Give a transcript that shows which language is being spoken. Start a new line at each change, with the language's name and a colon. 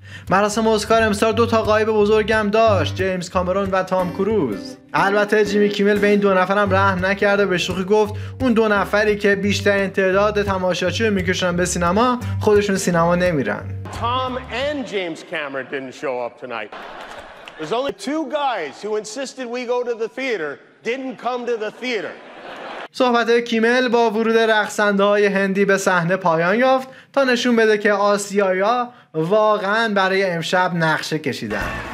Persian: مراسم اسکار امسال دو تا غایب بزرگم داشت، جیمز کامرون و تام کروز. البته جیمی کیمل به این دو نفرم رحم نکرد و به شوخی گفت اون دو نفری که بیشتر تعداد تماشاچی رو میکشن به سینما خودشون سینما نمیرن.
English: Tom و James Cameron didn't show up tonight. There's only two guys who insisted we go to the theater didn't come to the theater.
Persian: صحبت کیمل با ورود رقصنده‌های هندی به صحنه پایان یافت تا نشون بده که آسیایا واقعا برای امشب نقشه کشیدن.